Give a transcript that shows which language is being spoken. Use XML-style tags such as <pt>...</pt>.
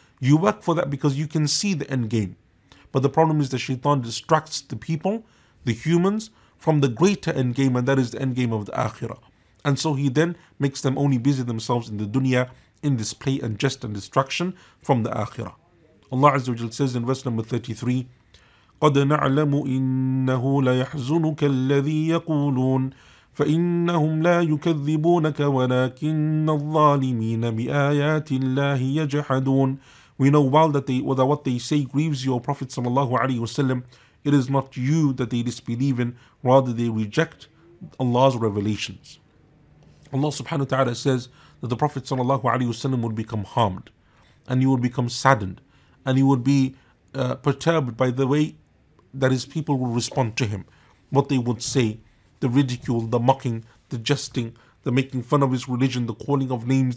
<en>You work for that because you can see the end game. But the problem is the shaitan distracts the people, the humans, from the greater end game, and that is the end game of the akhirah. And so he then makes them only busy themselves in the dunya, in this play and jest and distraction from the akhirah. Allah Azza wa Jal says in verse number 33,</en> <ar>قَدْ نَعْلَمُ إِنَّهُ لَيَحْزُنُكَ الَّذِي يَقُولُونَ فَإِنَّهُمْ لَا يُكَذِّبُونَكَ وَلَكِنَّ الظَّالِمِينَ بِآيَاتِ اللَّهِ يَجْحَدُونَ</ar> <en>We know well that they, whether what they say grieves you, O Prophet sallallahu alayhi wasallam, it is not you that they disbelieve in, rather they reject Allah's revelations. Allah subhanahu wa ta'ala says that the Prophet sallallahu alayhi wasallam would become harmed, and he would become saddened, and he would be perturbed by the way that his people will respond to him, what they would say, the ridicule, the mocking, the jesting, the making fun of his religion, the calling of names.</en>